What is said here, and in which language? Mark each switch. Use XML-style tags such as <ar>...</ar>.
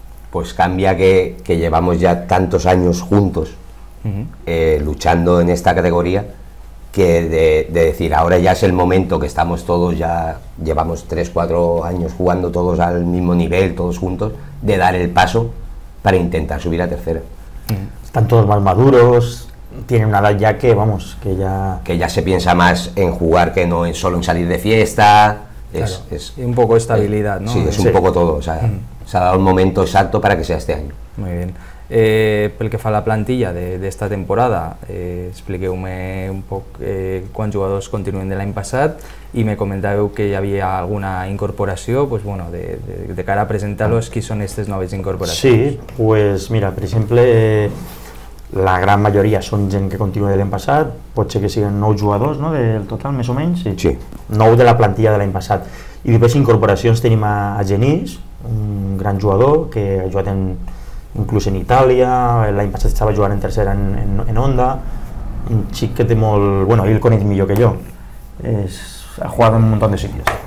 <es>Pues cambia que llevamos ya tantos años juntos luchando en esta categoría, que de decir ahora ya es el momento, que estamos todos, ya llevamos 3-4 años jugando todos al mismo nivel, todos juntos, de dar el paso para intentar subir a tercera. Están todos más maduros, tiene una edad ya que, vamos, que ya... Que ya se piensa más en jugar que no en solo en salir de fiesta. Y un poco estabilidad, ¿no? Sí, es un poco todo. O sea, se ha dado un momento exacto para que sea este año. Muy bien.</es> <ca>Pel que fa a la plantilla de esta temporada, expliqueu-me un poc quants jugadors continuen de l'any passat, i me comentàveu que hi havia alguna incorporació, pues bueno, de cara a presentar-los, qui són aquestes noves incorporacions? Sí, pues mira, per exemple, la gran majoria són gent que continua de l'any passat, pot ser que siguin 9 jugadors, no?, del total, més o menys. Sí. 9 de la plantilla de l'any passat. I després incorporacions tenim a Genís, un gran jugador que ha jugat inclús en Itàlia, l'any passat estava jugant en tercera en Onda, un xic que té molt... Bueno, ell el coneix millor que jo. Ha jugat en un munt de sitios.</ca>